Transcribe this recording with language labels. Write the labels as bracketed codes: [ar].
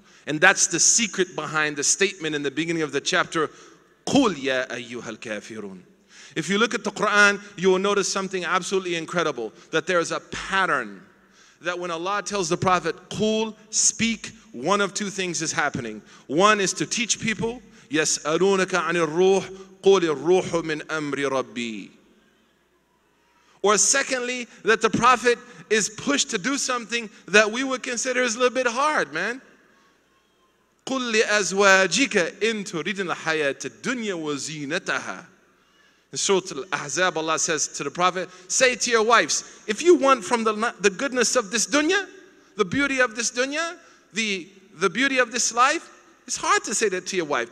[en] And that's the secret behind the statement in the beginning of the chapter, [ar] قُلْ يَا أَيُّهَا الْكَافِرُونَ. [en] If you look at the Quran, you will notice something absolutely incredible, that there is a pattern that when Allah tells the Prophet, قُلْ, speak, one of two things is happening. One is to teach people, [ar] يَسْأَلُونَكَ عَنِ الرُّوحِ قُلِ الرُّوحُ مِنْ أَمْرِ رَبِّي. [en] Or secondly, that the Prophet is pushed to do something that we would consider is a little bit hard, man. [ar] قُلْ لِأَزْوَاجِكَ إِن تُرِدْنَ الْحَيَاةَ الدُّنْيَا وَزِينَتَهَا. [en] In Surah Al-Ahzab, Allah says to the Prophet, say to your wives, if you want from the goodness of this dunya, the beauty of this dunya, the beauty of this life, it's hard to say that to your wife.